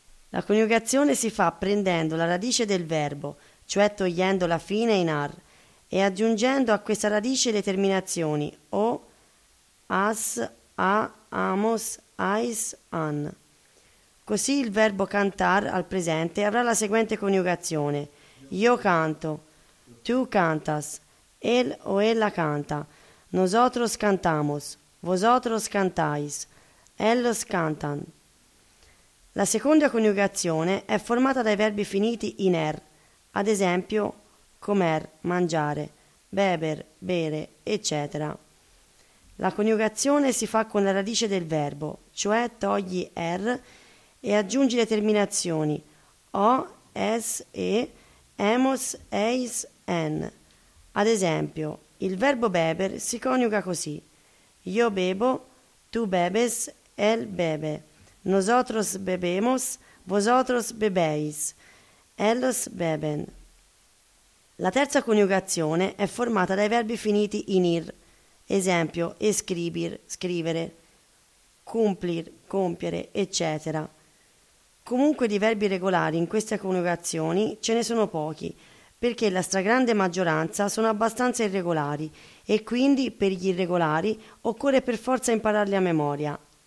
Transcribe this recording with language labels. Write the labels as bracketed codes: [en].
[it] La coniugazione si fa prendendo la radice del verbo, cioè togliendo la fine in ar, e aggiungendo a questa radice le terminazioni o, as, a, amos, ais, an. Così il verbo cantar al presente avrà la seguente coniugazione. [es] Io canto, tu cantas, él o ella canta, nosotros cantamos, vosotros cantáis, ellos cantan. [it] La seconda coniugazione è formata dai verbi finiti in er, ad esempio comer, mangiare, beber, bere, eccetera. La coniugazione si fa con la radice del verbo, cioè togli er e aggiungi le terminazioni o, es, e, hemos, eis, en. Ad esempio, il verbo beber si coniuga così. [es] Io bebo, tu bebes, él bebe. Nosotros bebemos, vosotros bebéis. Ellos beben. [it] La terza coniugazione è formata dai verbi finiti in ir. Esempio, escribir, scrivere, cumplir, compiere, eccetera. Comunque di verbi regolari in queste coniugazioni ce ne sono pochi, perché la stragrande maggioranza sono abbastanza irregolari e quindi per gli irregolari occorre per forza impararli a memoria.